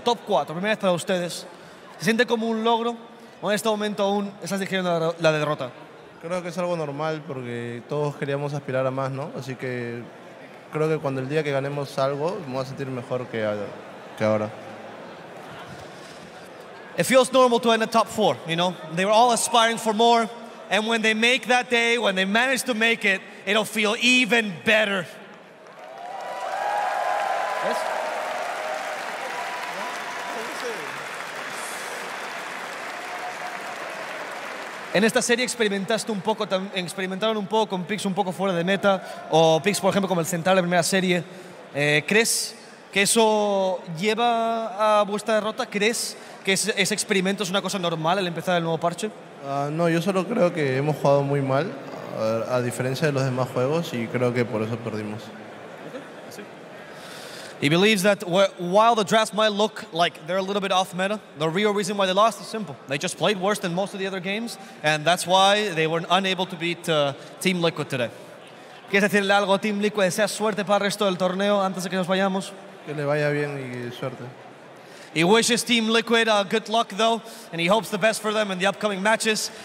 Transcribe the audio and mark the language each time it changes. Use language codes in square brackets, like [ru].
[es] Top 4, primera vez para ustedes. ¿Se siente como un logro o en este momento aún estás digiriendo la derrota? Creo que es algo normal porque todos queríamos aspirar a más, ¿no? Así que creo que cuando el día que ganemos algo, me voy a sentir mejor que ahora. [en] It feels normal to end a top 4, you know? They were all aspiring for more. And when they make that day, when they manage to make it, it'll feel even better. Yes? [es] En esta serie experimentaron un poco con picks un poco fuera de meta o picks, por ejemplo, como el central de primera serie. ¿Crees que eso lleva a vuestra derrota? ¿Crees que ese experimento es una cosa normal al empezar el nuevo parche? No, yo solo creo que hemos jugado muy mal, a diferencia de los demás juegos, y creo que por eso perdimos. [en] He believes that while the drafts might look like they're a little bit off meta, the real reason why they lost is simple. They just played worse than most of the other games, and that's why they were unable to beat Team Liquid today. [es] ¿Quieres decirle algo, Team Liquid? Desea suerte para el resto del torneo antes de que nos vayamos. Que le vaya bien y suerte. [en] He wishes Team Liquid good luck, though, and he hopes the best for them in the upcoming matches.